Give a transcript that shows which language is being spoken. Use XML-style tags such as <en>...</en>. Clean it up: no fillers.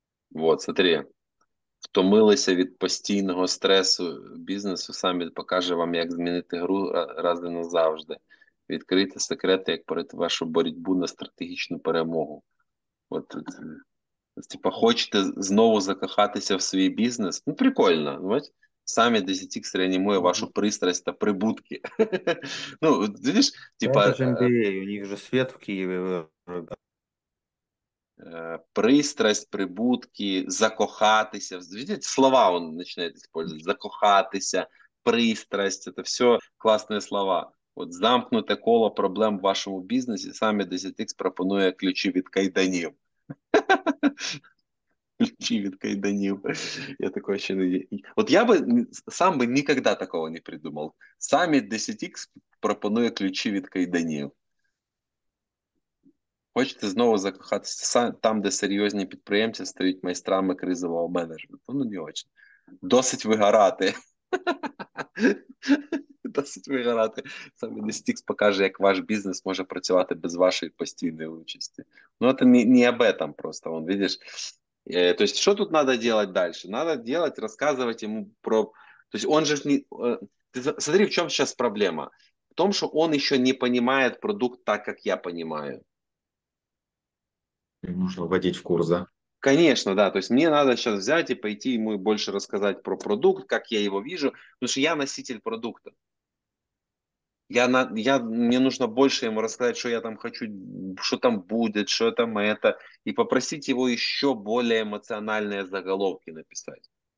<ru>Вот, смотри,</ru> <uk>втомилися від постійного стресу бізнесу, саміт покаже вам, як змінити гру раз і назавжди. Відкрийте секрети, як перейти вашу боротьбу на стратегічну перемогу. От, типа, хочете знову закохатися в свій бізнес? Ну, прикольно. Саміт 10X реанімує вашу пристрасть та прибутки. Ну, видиш, типа... Це ж MBA, у них же світ в Києві. Пристрасть, прибутки, закохатися.</uk> <ru>Видите, слова он начинает использовать.</ru> <uk>Закохатися, пристрасть.</uk> <ru>Это все классные слова.</ru> <uk>Вот замкнуте коло проблем</uk> <ru>в вашем бизнесе.</ru> <uk>Сами 10X пропонує ключи від кайданів. Ключи від кайданів. Я такого ще не...</uk> <ru>Вот я бы сам бы никогда такого не придумал.</ru> <uk>Сами 10X пропонує ключи від кайданів. Хочете знову закохатися там, де серйозні підприємці стають майстрами кризового менеджменту? Ну, не дуже. Досить вигорати. Досить вигорати. Саме Нестікс покаже, як ваш бізнес може працювати без вашої постійної участі. Ну, це не</uk> <ru>об этом</ru> <uk>просто. Вон, видиш. Тобто, що тут треба робити далі? Треба робити, розказувати йому про... Тобто, він же ж не... Ти смотри, в чому зараз проблема? В тому, що він ще не розуміє продукт так, як я розумію.</uk> <ru>Нужно вводить в курс, да? Конечно, да. То есть мне надо сейчас взять и пойти ему больше рассказать про продукт, как я его вижу, потому что я носитель продукта. Мне нужно больше ему рассказать, что я там хочу, что там будет, что там это, и попросить его еще более эмоциональные заголовки написать.</ru>